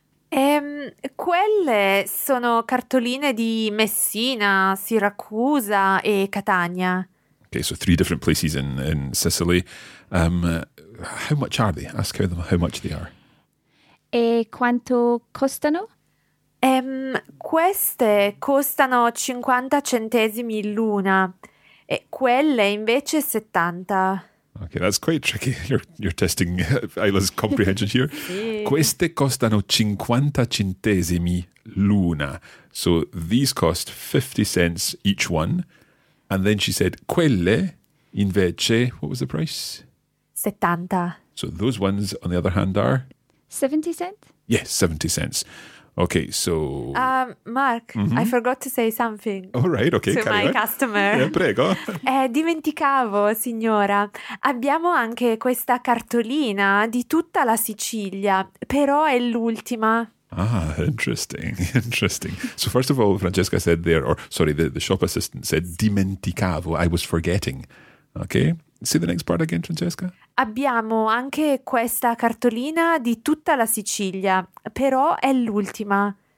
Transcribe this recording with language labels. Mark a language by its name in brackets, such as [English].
[Italian] Quelle sono cartoline di Messina, Siracusa e Catania. [English] Okay, so three different places in Sicily. How much are they? Ask them how much they are. [Italian] E quanto costano? Queste costano 50 centesimi l'una e quelle invece 70. [English] Ok, that's quite tricky. You're testing Isla's comprehension here. [Italian] Sì. Queste costano 50 centesimi l'una. [English] So these cost 50 cents each one. And then she said, quelle invece, what was the price? 70. So those ones, on the other hand, are? 70 cents? Yes, 70 cents. Okay, so... Mark, mm-hmm. I forgot to say something. All right, okay, to my on. Customer. Yeah, prego. [Italian] Dimenticavo, signora. Abbiamo anche questa cartolina di tutta la Sicilia, però è l'ultima. [English] Ah, interesting, interesting. So first of all, Francesca said there, or sorry, the shop assistant said, dimenticavo, I was forgetting. Okay, say the next part again, Francesca. [Italian] Abbiamo anche questa cartolina di tutta la Sicilia, però è l'ultima.